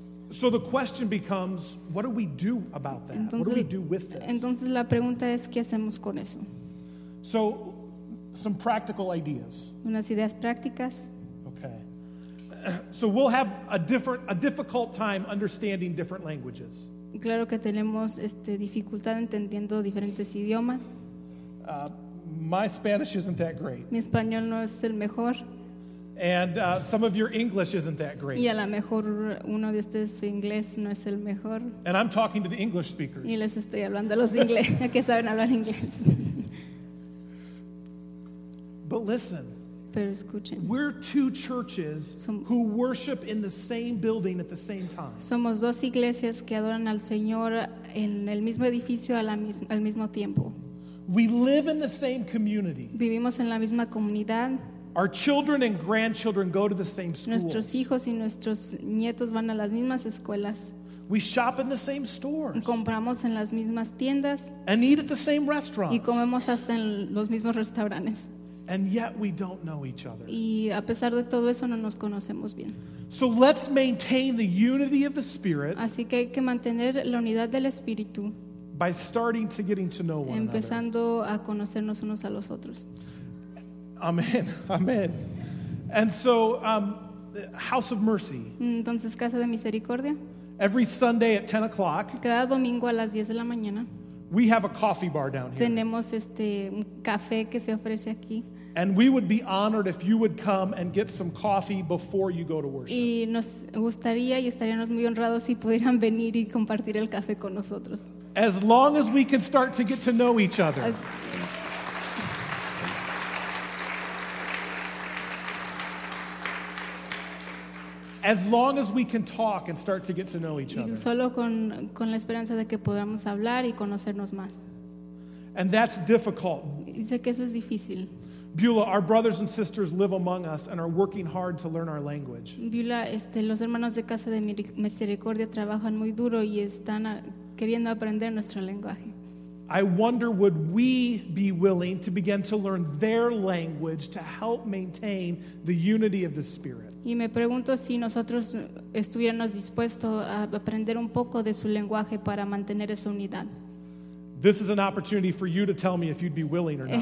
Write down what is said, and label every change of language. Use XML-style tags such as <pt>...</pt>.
<en>So the question becomes, what do we do about that?</en> <es>Entonces,</es> <en>what do we do with this?</en> <es>Entonces la pregunta es, ¿qué hacemos con eso?</es> <en>So, some practical ideas.</en> <es>Unas ideas prácticas.</es> <en>Okay. So we'll have a difficult time understanding different languages.</en> <es>Claro que tenemos dificultad entendiendo diferentes idiomas.</es> <en>My Spanish isn't that great.</en> <es>Mi español no es el mejor.</es> <en>And some of your English isn't that great.</en> <es>Y a lo mejor uno de ustedes su inglés no es el mejor.</es> <en>And I'm talking to the English speakers.</en> <es>Y les estoy hablando a los ingleses que saben hablar inglés.</es> <en>But listen.</en> <es>Pero escuchen.</es> <en>We're two churches who worship in the same building at the same time.</en> <es>Somos dos iglesias que adoran al Señor en el mismo edificio al mismo tiempo.</es> <en>We live in the same community.</en> <es>Vivimos en la misma comunidad.</es> <en>Our children and grandchildren go to the same schools.</en> <es>Nuestros hijos y nuestros nietos van a las mismas escuelas.</es> <en>We shop in the same stores.</en> <es>Compramos en las mismas tiendas.</es> <en>And eat at the same restaurants.</en> <es>Y comemos hasta en los mismos restaurantes.</es> <en>And yet we don't know each other.</en> <es>Y a pesar de todo eso no nos conocemos bien.</es> <en>So let's maintain the unity of the Spirit.</en> <es>Así que hay que mantener la unidad del Espíritu.</es> <en>By starting to getting to know one another.</en> <es>Empezando a conocernos unos a los otros.</es> <en>Amen. Amen. And so, House of Mercy.</en> <es>Entonces, Casa de Misericordia.</es> <en>Every Sunday at 10 o'clock.</en> <es>Cada domingo a las 10 de la mañana.</es> <en>We have a coffee bar down here.</en> <es>Tenemos un café que se ofrece aquí.</es> <en>And we would be honored if you would come and get some coffee before you go to worship.</en> <es>Y nos gustaría y estaríamos muy honrados si pudieran venir y compartir el café con nosotros.</es> <en>As long as we can start to get to know each other. As long as we can talk and start to get to know each other.</en> <es>Solo con la esperanza de que podamos hablar y conocernos más.</es> <en>And that's difficult.</en> <es>Dice que eso es difícil.</es> <en>Beulah, our brothers and sisters live among us and are working hard to learn our language.</en> <es>Beulah, los hermanos de Casa de Misericordia trabajan muy duro y están queriendo aprender nuestro lenguaje.</es> <en>I wonder, would we be willing to begin to learn their language to help maintain the unity of the Spirit?</en> <es>Y me pregunto si nosotros estuviéramos dispuestos a aprender un poco de su lenguaje para mantener esa unidad.</es> <en>This is an opportunity for you to tell me if you'd be willing or not.</en>